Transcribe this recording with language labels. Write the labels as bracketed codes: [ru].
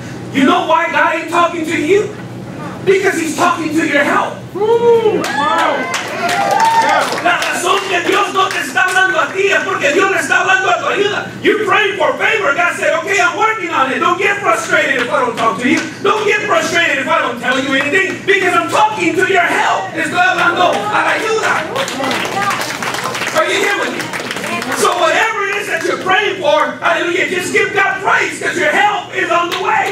[en] You know why God ain't talking to you? Because he's talking to your help. Wow. [es] La razón que Dios no te está hablando a ti es porque Dios le está hablando a tu ayuda. [en] You're praying for favor. God said, okay, I'm working on it. Don't get frustrated if I don't talk to you. Don't get frustrated if I don't tell you anything. Because I'm talking to your help. [es] Estoy hablando a la ayuda. [en] Are you here with me? So whatever it is that you're praying for, hallelujah, just give God praise because your help is on the way.